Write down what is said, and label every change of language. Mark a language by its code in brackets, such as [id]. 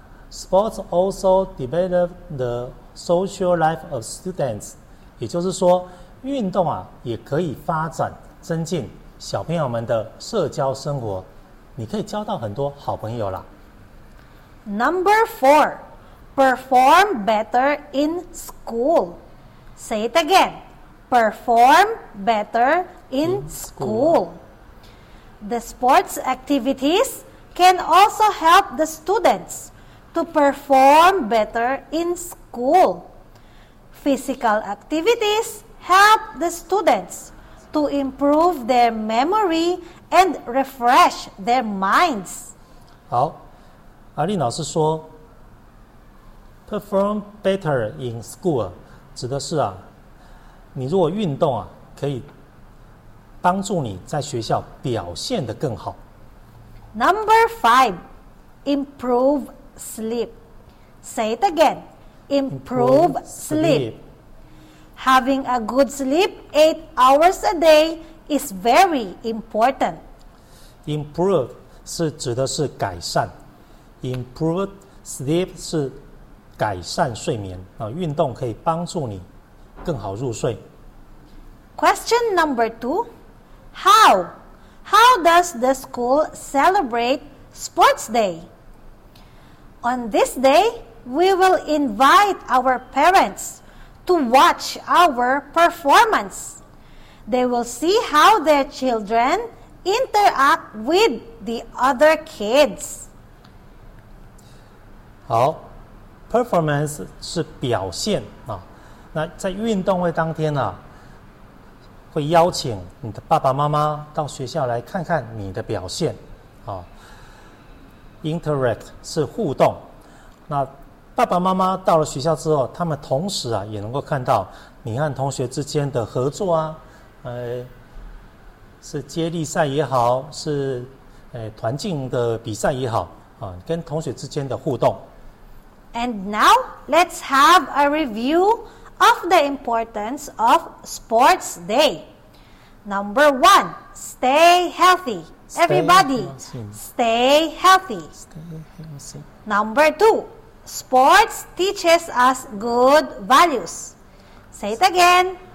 [en] Sports also develop the social life of students. [zh] 也就是说，运动啊也可以发展、增进小朋友们的社交生活。你可以交到很多好朋友啦。 [en] Number four. Perform better in school. Say it again. Perform better in school. The sports activities can also help the students to perform better in school. Physical activities help the students to improve their memory and refresh their minds. [zh] 好，阿丽老师说 [en] Perform better in school [zh] 指的是啊，你如果运动啊，可以帮助你在学校表现得更好。 [en] Number five, improve sleep. Say it again. Improve sleep. Having a good sleep 8 hours a day is very important. [zh] Improve 是指的是改善 ，improve sleep 是。改善睡眠啊，运动可以帮助你更好入睡。 [en] Question number two, how does the school celebrate Sports Day? On this day, we will invite our parents to watch our performance. They will see how their children interact with the other kids. [zh] 好。 Performance 是表现啊，那在运动会当天啊，会邀请你的爸爸妈妈到学校来看看你的表现啊。 Interact 是互动，那爸爸妈妈到了学校之后，他们同时啊也能够看到你和同学之间的合作啊，是接力赛也好，是团竞的比赛也好啊，跟同学之间的互动。 [en] And now, let's have a review of the importance of Sports Day. Number one, stay healthy. Everybody, stay healthy. Number two, sports teaches us good values. Say it again.